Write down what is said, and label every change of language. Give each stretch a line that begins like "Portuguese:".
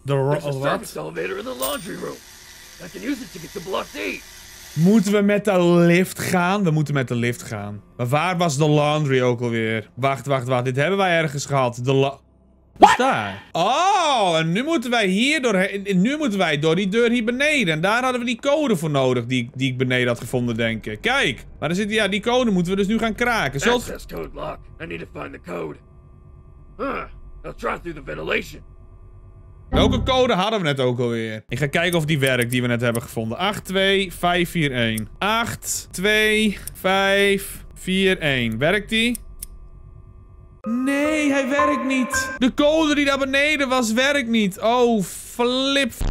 English: There's a service elevator in the laundry room. I can use it to get to Block D.
Dutch: Moeten we met de lift gaan? We moeten met de lift gaan. Maar waar was de laundry ook alweer? Wacht. Dit hebben wij ergens gehad. Wat? Oh, en nu moeten wij hier doorheen. Nu moeten wij door die deur hier beneden. En daar hadden we die code voor nodig die ik beneden had gevonden, denk ik. Kijk, maar er zit ja, die code moeten we dus nu gaan kraken. Zoals...
English: Access code lock. I need to find the code. Huh, I'll try through the ventilation.
Dutch: Welke code hadden we net ook alweer? Ik ga kijken of die werkt die we net hebben gevonden. 82541. 82541. Werkt die? Nee, hij werkt niet. De code die daar beneden was, werkt niet. Oh, flip.